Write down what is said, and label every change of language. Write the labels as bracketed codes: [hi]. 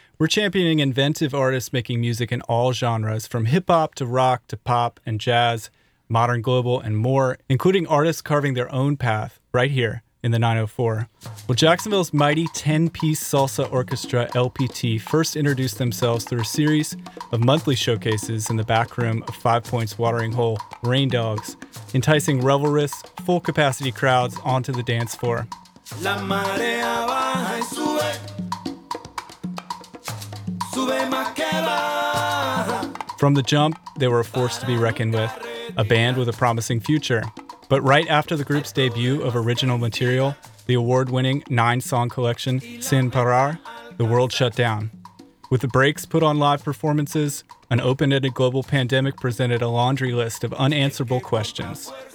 [en] We're championing inventive artists making music in all genres, from hip-hop to rock to pop and jazz, modern global, and more, including artists carving their own path right here in the 904. Well, Jacksonville's mighty 10-piece salsa orchestra, LPT, first introduced themselves through a series of monthly showcases in the back room of Five Points Watering Hole, Rain Dogs, enticing revelrous, full-capacity crowds onto the dance floor. [es] La marea baja y sube, sube más que baja. [en] From the jump, they were a force to be reckoned with, a band with a promising future. But right after the group's debut of original material, the award-winning nine-song collection, Sin Parar, the world shut down. With the brakes put on live performances, an open-ended global pandemic presented a laundry list of unanswerable questions.